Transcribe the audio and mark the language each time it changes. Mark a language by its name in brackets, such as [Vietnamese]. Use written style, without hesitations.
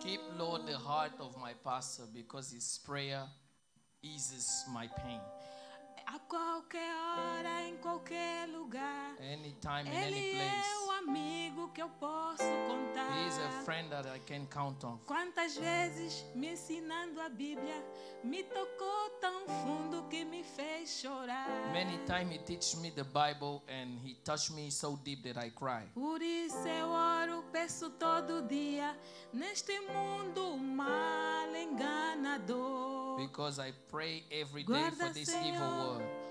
[English] Keep, Lord, the heart of my pastor, because his prayer eases my pain. [Portuguese] A qualquer hora, em qualquer lugar. [English] Anytime, in any place. [Portuguese] Ele é o amigo que eu posso contar. [English] He is a friend that I can count on. [Portuguese] Quantas vezes, me ensinando a Bíblia, me tocou tão fundo que me fez chorar. [English] Many times he teach me the Bible and he touched me so deep that I cry. [Portuguese] Por isso eu oro, peço todo dia, neste mundo mal enganador. [English] Because I pray every day for this evil world.